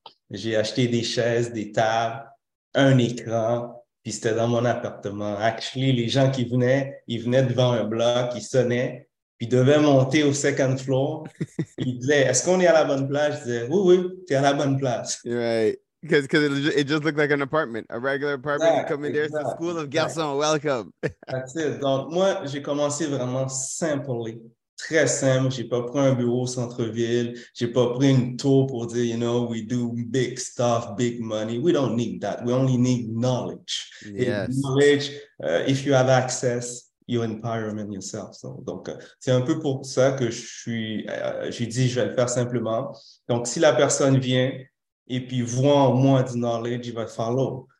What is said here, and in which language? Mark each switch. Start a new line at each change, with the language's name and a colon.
French: J'ai acheté des chaises, des tables, un écran. Puis c'était dans mon appartement. Actually, les gens qui venaient, ils venaient devant un bloc, ils sonnaient. Puis ils devaient monter au
English: second floor.
French: Ils disaient, est-ce qu'on est à la bonne place? Je disais, oui, oui, t'es à la bonne place.
English: Right. Because it just looked like an apartment, a regular apartment. Yeah, you come in there, it's the school of Gerson. Yeah. Welcome. That's it.
French: Donc, moi, j'ai commencé vraiment simply, très simple. J'ai pas pris un bureau au centre-ville. J'ai pas pris une tour pour dire,
English: you know, we do big stuff, big money. We don't need that. We only need knowledge. Yes. And knowledge, if you have access, you empowerment yourself.
French: So, donc, c'est un peu pour ça que j'ai dit, je vais le faire simplement. Donc, si la personne vient, et puis voir moins de knowledge, il va falloir.